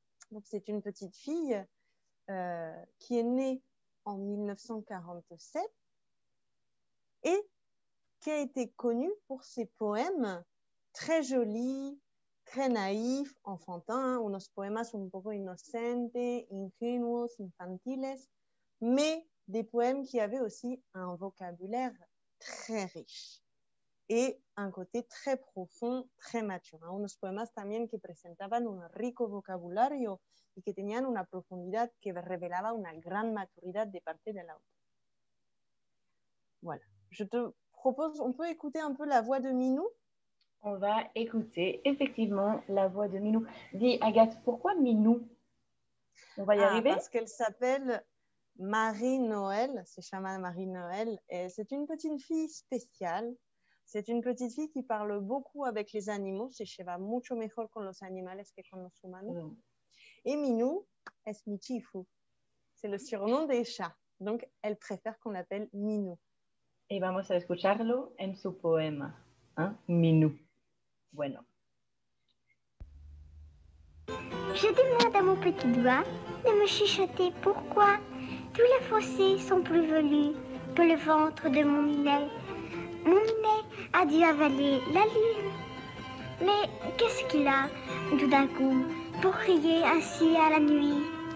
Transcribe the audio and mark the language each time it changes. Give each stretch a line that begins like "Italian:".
French: Donc, c'est une petite fille qui est née en 1947 et qui a été connue pour ses poèmes très jolis, très naïf, enfantin, hein,
Spanish: unos poemas un poco inocentes, ingenuos, infantiles,
French: mais des poèmes qui avaient aussi un vocabulaire très riche et un côté très profond, très mature.
Spanish: Hein, unos poemas también que presentaban un rico vocabulario y que tenían una profundidad que revelaba una gran maturidad de parte de l'autre.
French: Voilà. Je te propose, on peut écouter un peu la voix de Minou. On va écouter effectivement la voix de Minou. Dis Agathe, pourquoi Minou? On va y arriver? Parce qu'elle s'appelle Marie-Noël,
Spanish: se llama Marie-Noël.
French: Et c'est une petite fille spéciale. C'est une petite fille qui parle beaucoup avec les animaux.
Spanish: Se lleva mucho mejor con los animales que con los humanos. Mm. Et Minou, es mi chifu.
French: C'est le surnom des chats. Donc, elle préfère qu'on l'appelle Minou.
Spanish: Et vamos a escucharlo en su poema. Minou. Bueno.
French: Je demande à mon petit doigt de me chuchoter pourquoi tous les fossés sont plus velus que le ventre de mon minet. Mon minet a dû avaler la lune. Mais qu'est-ce qu'il a tout d'un coup pour crier ainsi à la nuit?